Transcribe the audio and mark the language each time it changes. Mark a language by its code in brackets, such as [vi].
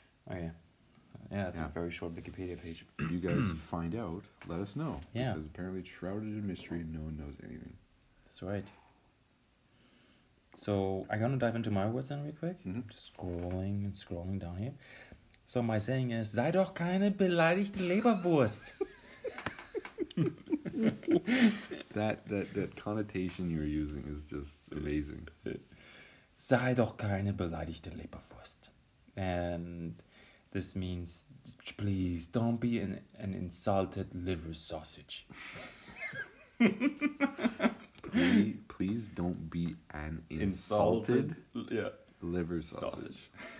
[en] Okay. Yeah, that's a very short Wikipedia page. If you guys find out, let us know. Yeah. Because apparently it's shrouded in mystery and no one knows anything. That's right. So I'm going to dive into my words then real quick. Mm-hmm. Just scrolling and scrolling down here. So my saying is, [de] sei doch keine beleidigte Leberwurst. [en] that connotation you're using is just amazing. [de] Sei doch keine beleidigte Leberwurst. [en] And this means, please, don't be an insulted liver sausage. please don't be an insulted liver sausage.